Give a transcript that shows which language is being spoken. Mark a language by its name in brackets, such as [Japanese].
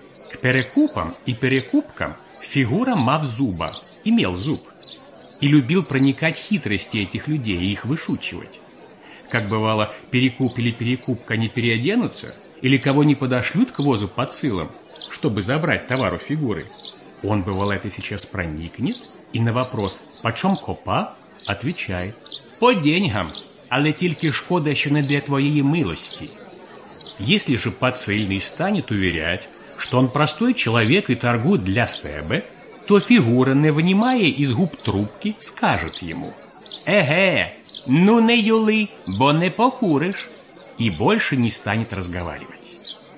[Russian] К перекупам и перекупкам Фигура [Ukrainian] мав зуба, [Russian] имел зуб, и любил проникать хитрости этих людей и их вышучивать. Как бывало, перекуп или перекупка не переоденутся, или кого не подошлют к возу подсылом, чтобы забрать товар у Фигуры, он, бывало, это сейчас проникнет и на вопрос «почем копа?» отвечает «по деньгам, [Ukrainian] але тільки шкода ще не для твоєї милості». [Russian] Если же подсильный станет уверять, что он простой человек и торгует для себе, то Фигура, не вынимая из губ трубки, скажет ему «эге, ну не юли, [Ukrainian] бо не покуришь», [Russian] и больше не станет разговаривать.